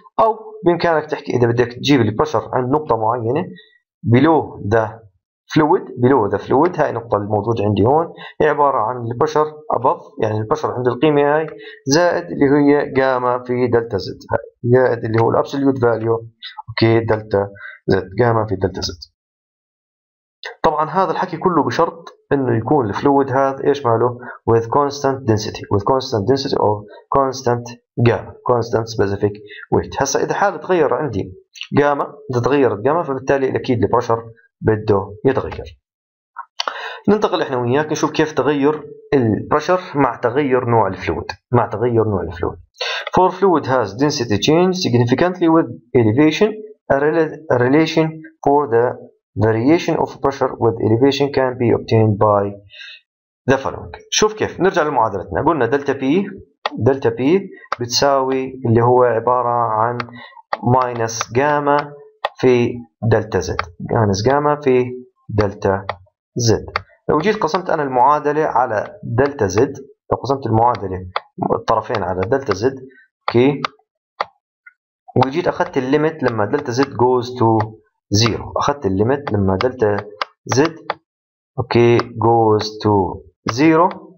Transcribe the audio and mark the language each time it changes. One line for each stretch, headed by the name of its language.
Arabic: او بامكانك تحكي اذا بدك تجيب البريشر عند نقطه معينه بلو ذا فلويد، بلو ذا فلويد هاي النقطه الموجوده عندي هون هي عباره عن البريشر ابف، يعني البريشر عند القيمه هاي زائد اللي هي جاما في دلتا زد، زائد اللي هو الابسوليوت فاليو اوكي دلتا زد، جاما في دلتا زد. طبعا هذا الحكي كله بشرط انه يكون الفلويد هذا ايش ماله؟
English: with constant density، with constant density or constant gamma، constant specific weight.
Arabic: هسا اذا حاله تغير عندي جاما، اذا تغيرت جاما فبالتالي اكيد البريشر بده يتغير. ننتقل احنا وياك نشوف كيف تغير البريشر مع تغير نوع الفلويد، مع تغير نوع الفلويد.
English: For fluid has density change significantly with elevation, a relation for the variation of pressure with elevation can be obtained by the following.
Arabic: شوف كيف نرجع لمعادلتنا، قلنا دلتا بي، دلتا بي بتساوي اللي هو عبارة عن ماينس جاما في دلتا زد، ماينس جاما في دلتا زد. لو جيت قسمت أنا المعادلة على دلتا زد، لو قسمت المعادلة الطرفين على دلتا زد اوكي، وجيت أخذت الليمت لما دلتا زد
English: goes to
Arabic: زيرو، اخذت الليمت لما دلتا زد اوكي جوز تو زيرو،